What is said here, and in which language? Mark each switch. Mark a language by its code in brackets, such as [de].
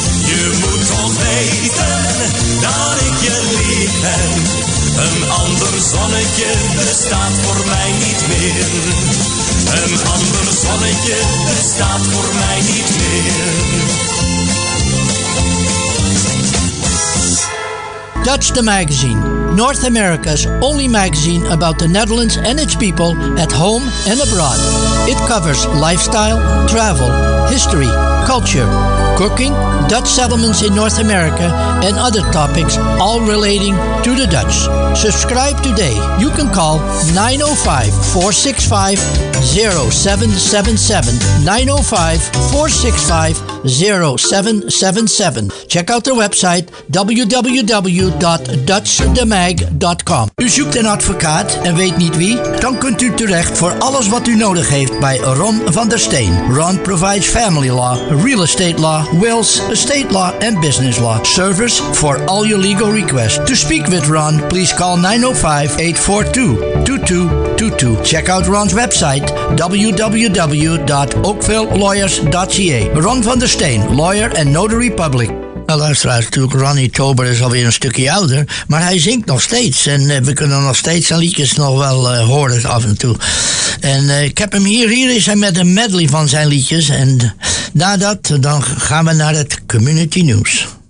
[nl] Je moet toch weten dat ik je lief heb. Een ander zonnetje bestaat voor mij niet meer. Een ander zonnetje bestaat voor mij niet meer. [en] Dutch the Magazine, North America's only magazine about the Netherlands and its people at home and abroad. It covers lifestyle, travel, history, culture, cooking, Dutch settlements in North America, and other topics all relating to the Dutch. Subscribe today. You can call 905-465-0777. 905-465-0777. Check out their website www.dutchthemag.com. [nl] U zoekt een advocaat en weet niet wie? Dan kunt u terecht voor alles wat u nodig heeft bij Ron van der Steen. [en] Ron provides family law, real estate law, wills, estate law and business law. Service for all your legal requests. To speak with Ron, please call 905-842-2222. Check out Ron's website www.oakvillelawyers.ca. Ron van der Steen, lawyer and notary public. [nl] Nou, luisteraars, natuurlijk, Ronnie Tober is alweer een stukje ouder, maar hij zingt nog steeds. En we kunnen nog steeds zijn liedjes nog wel horen af en toe. En ik heb hem hier, hier is hij met een medley van zijn liedjes. En nadat, dan gaan we naar het community nieuws.